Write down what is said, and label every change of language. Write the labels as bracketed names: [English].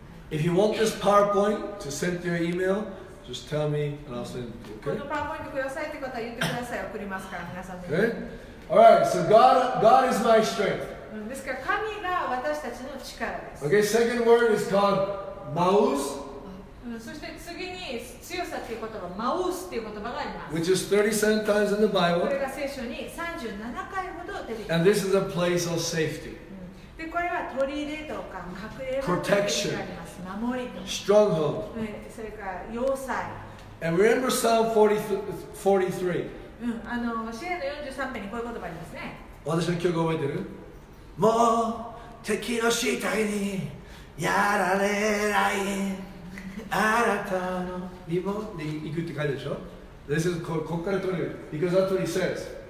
[English] If you want this PowerPoint to send to your email, just tell me and I'll send it. Okay. [Japanese] このパワーポイントくださいって方は言ってください。送りますから皆さんに。 [English] Okay. Alright, so God is my strength. [Japanese] ですから神が私たちの力です。 [English] Okay, second word is called maus. [Japanese] そして次に強さという言葉、マウスという言葉があります。 [English] Which is 37 times in the Bible. [Japanese] これが聖書に37回ほど出てきます。 [English] And this is a place of safety. [Japanese] でこれは取り入れとか隠れ家。 [English] Protection. [Japanese] 守りと。 [English] Stronghold. [Japanese] それから要塞。 [English] And remember Psalm 43. [Japanese] 詩編の43編にこういう言葉ありますね。私の曲覚えてる？もう敵の死体にやられないあなたのリボンで行くって書いてるでしょ。 [English] This is [Japanese] ここから取れる [English] because that's what he says.